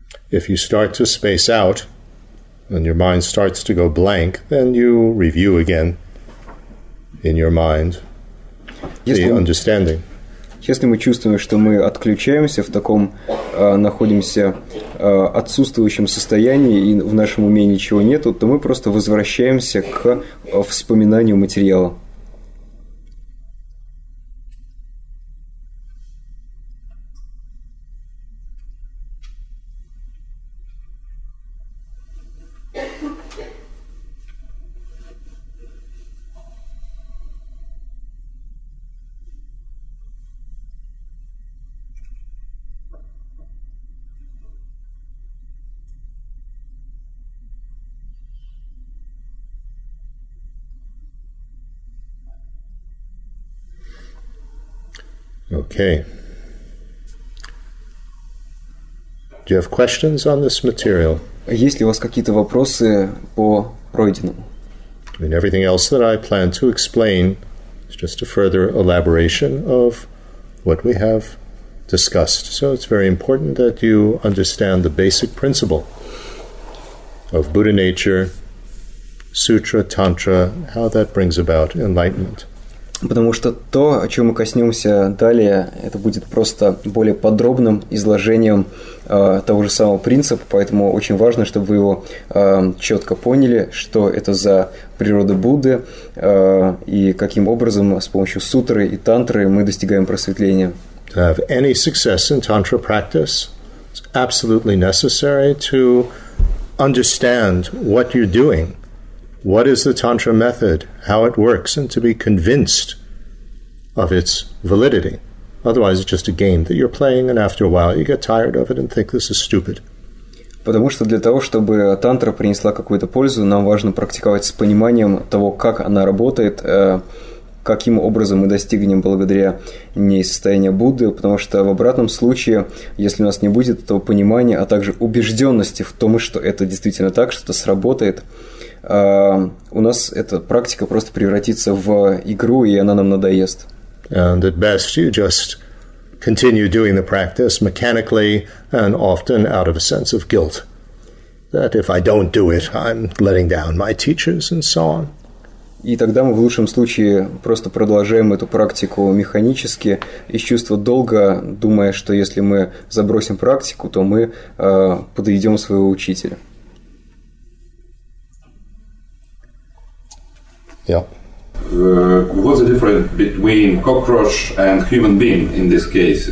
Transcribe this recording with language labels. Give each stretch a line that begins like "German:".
English: If you start to space out and your mind starts to go blank, then you review again in your mind the understanding.
Russian: Если мы чувствуем, что мы отключаемся в таком, находимся отсутствующем состоянии и в нашем уме ничего нету, то мы просто возвращаемся к вспоминанию материала.
English: Okay. Do you have questions on this material?
Russian: Есть ли у вас какие-то вопросы по пройденному?
English: I mean, everything else that I plan to explain is just a further elaboration of what we have discussed. So it's very important that you understand the basic principle of Buddha nature, sutra, tantra, how that brings about enlightenment.
Russian: Потому что то, о чем мы коснемся далее, это будет просто более подробным изложением того же самого принципа, поэтому очень важно, чтобы вы его четко поняли, что это за природа Будды и каким образом с помощью сутры и тантры мы достигаем просветления.
English: To have any success in tantra practice, it's absolutely necessary to understand what you're doing. What is the tantra method, how it works, and to be convinced of its validity. Otherwise, it's just a game that you're playing, and after a while, you get tired of it and think this is stupid.
Russian: Потому что для того, чтобы тантра принесла какую-то пользу, нам важно практиковать с пониманием того, как она работает, каким образом мы достигнем благодаря ней состояния Будды, потому что в обратном случае, если у нас не будет этого понимания, а также убежденности в том, что это действительно так, что это сработает, у нас эта практика просто превратится в игру, и она нам надоест.
English: And at best, you just continue doing the practice mechanically and often out of a sense of guilt. That if I don't do it, I'm letting down my teachers and so on.
Russian: И тогда мы в лучшем случае просто продолжаем эту практику механически, из чувства долга, думая, что если мы забросим практику, то мы подведем своего учителя.
English: Yeah. What's the difference between cockroach and human being in this case?